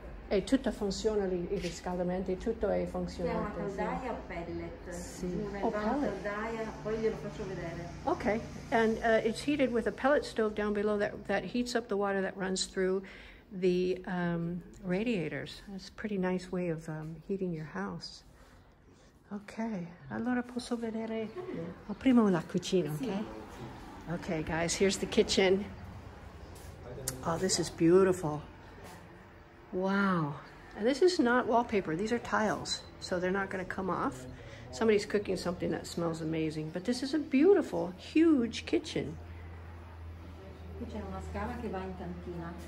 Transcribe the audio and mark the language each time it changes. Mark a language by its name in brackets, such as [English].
[Italian] E tutta funziona lì, i riscaldamenti, tutto è funzionante. Si chiama caldaia o pellet? Sì. Oh, pellet. Caldaia, poi glielo faccio vedere. [English] Okay, and it's heated with a pellet stove down below that heats up the water that runs through the radiators. It's a pretty nice way of heating your house. [Italian] Okay, allora posso vedere? Ho prima la cucina, okay? Sì. [English] Okay, guys, here's the kitchen. Oh, this is beautiful. Wow, and this is not wallpaper, these are tiles, so they're not going to come off. Somebody's cooking something that smells amazing, but this is a beautiful, huge kitchen. [Italian] Qui c'è una scala che va in cantina.